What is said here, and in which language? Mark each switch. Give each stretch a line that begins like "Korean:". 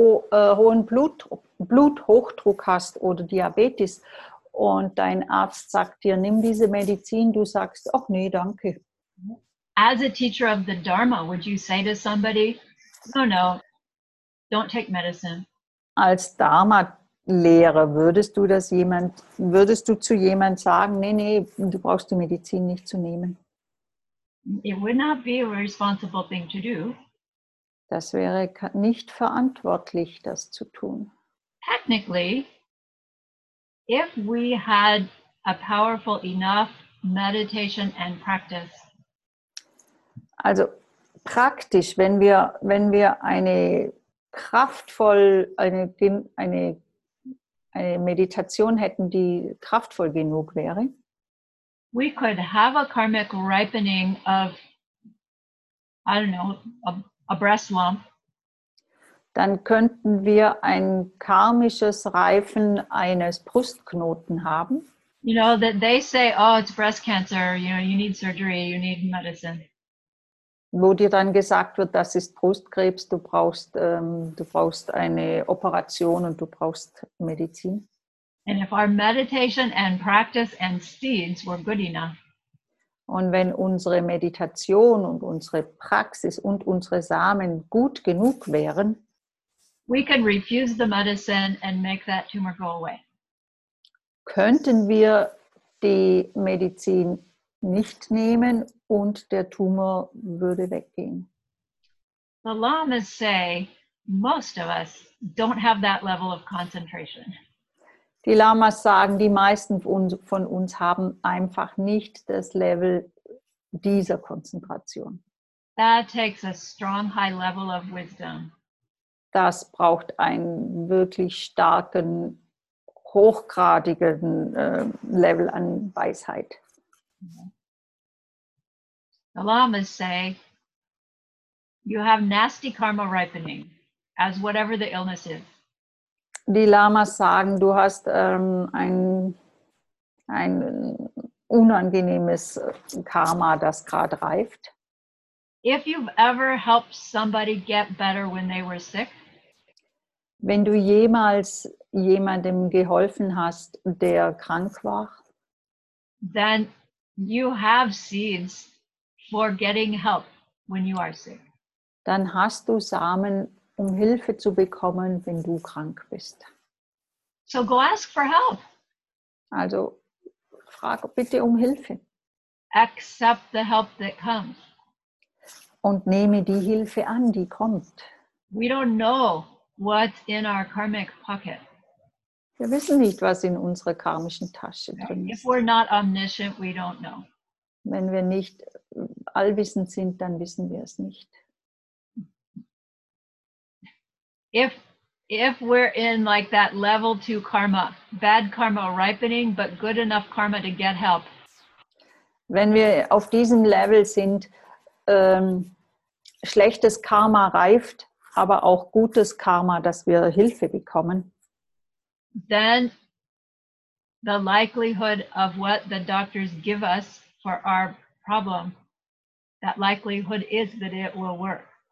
German: Wenn du hohen Bluthochdruck hast oder Diabetes und dein Arzt sagt dir, nimm diese Medizin, du sagst, oh, nee, danke.
English: As a teacher of the Dharma, would you say to somebody, oh, no, Don't take medicine.
German: Als Dharma-Lehrer würdest du das jemand, würdest du zu jemand sagen, nee, du brauchst die Medizin nicht zu nehmen?
English: It would not be a responsible thing to do.
German: Das wäre nicht verantwortlich, das zu tun.
English: Technically, if we had a powerful enough meditation and practice.
German: Also praktisch, wenn wir eine kraftvoll eine Meditation hätten, die kraftvoll genug wäre.
English: We could have a karmic ripening of, I don't know, a breast lump.
German: Dann könnten wir ein karmisches Reifen eines Brustknoten haben.
English: You know, that they say, oh, it's breast cancer, you know, you need surgery, you need medicine.
German: Wo dir dann gesagt wird, das ist Brustkrebs, du brauchst eine Operation und du brauchst Medizin.
English: And if our meditation and practice and seeds were good enough.
German: Und wenn unsere Meditation und unsere Praxis und unsere Samen gut genug wären,
English: we can refuse the medicine and make that tumor go away.
German: Könnten wir die Medizin nicht nehmen und der Tumor würde weggehen.
English: The lamas say most of us don't have that level of concentration.
German: Die Lamas sagen, die meisten von uns haben einfach nicht das Level dieser Konzentration.
English: That takes a strong high level of wisdom.
German: Das braucht einen wirklich starken, hochgradigen Level an Weisheit.
English: The lamas say, you have nasty karma ripening, as whatever the illness is.
German: Die Lamas sagen, du hast ein unangenehmes Karma, das gerade reift.
English: If you've ever helped somebody get better when they were sick,
German: wenn du jemals jemandem geholfen hast, der krank war,
English: then you have seeds for getting help when you are sick.
German: Dann hast du Samen, um Hilfe zu bekommen, wenn du krank bist.
English: So go ask for help.
German: Also frag bitte um Hilfe.
English: Accept the help that comes.
German: Und nehme die Hilfe an, die kommt.
English: We don't know what's in our karmic pocket.
German: Wir wissen nicht, was in unserer karmischen Tasche drin ist.
English: If we're not omniscient, we don't know.
German: Wenn wir nicht allwissend sind, dann wissen wir es nicht.
English: If we're in like that level 2 karma, bad karma ripening, but good enough karma to get help.
German: Wenn wir auf diesem Level sind, schlechtes Karma reift, aber auch gutes Karma, dass wir Hilfe bekommen.
English: Then the likelihood of what the doctors give us for our problem, that likelihood is that it will work.